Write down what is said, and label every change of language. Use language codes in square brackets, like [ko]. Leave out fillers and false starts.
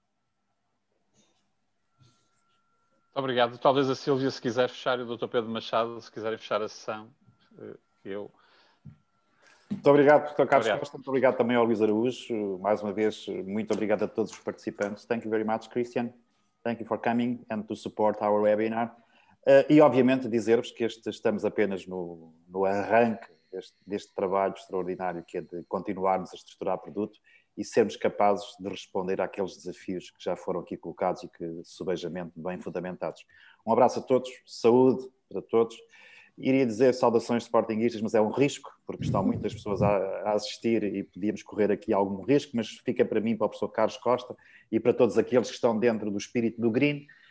[pt] Muito obrigado. Talvez a Sílvia, se quiser fechar, e o Dr. Pedro Machado, se quiserem fechar a sessão, eu... Muito obrigado, Dr. Carlos Costa. Muito obrigado também ao Luís Araújo. Mais uma vez, muito obrigado a todos os participantes. [en] Thank you very much, Christian. Thank you for coming and to support our webinar. [pt] E, obviamente, dizer-vos que estamos apenas no arranque deste trabalho extraordinário, que é de continuarmos a estruturar produto e sermos capazes de responder àqueles desafios que já foram aqui colocados e que, subejamente, bem fundamentados. Um abraço a todos, saúde para todos. Iria dizer saudações sportinguistas, mas é um risco, porque estão muitas pessoas a assistir e podíamos correr aqui algum risco, mas fica para mim, para o professor Carlos Costa e para todos aqueles que estão dentro do espírito do Green.